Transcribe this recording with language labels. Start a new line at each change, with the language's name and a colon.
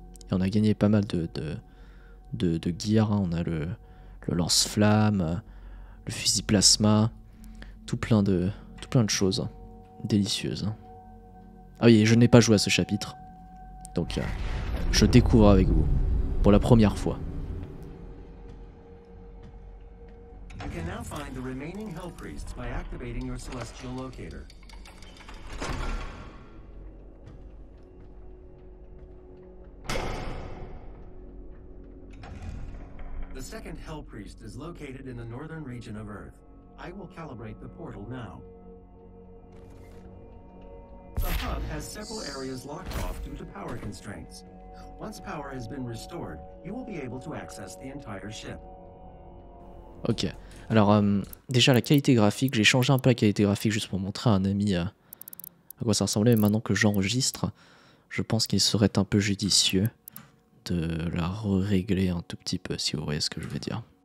French: Et on a gagné pas mal de gear, hein. On a le lance-flamme, le fusil plasma, tout plein de choses délicieuses. Ah oui, je n'ai pas joué à ce chapitre, donc je découvre avec vous pour la première fois.
English: You can now find the remaining hell priests by activating your celestial locator. The second Hell Priest is located in the northern region of Earth. I will calibrate the portal now. The hub has several areas locked off due to power constraints. Once power has been restored, you will be able to access the entire ship. Ok.
French: Alors, déjà la qualité graphique, j'ai changé un peu la qualité graphique juste pour montrer à un ami à quoi ça ressemblait. Mais maintenant que j'enregistre, je pense qu'il serait un peu judicieux de la régler un tout petit peu, si vous voyez ce que je veux dire.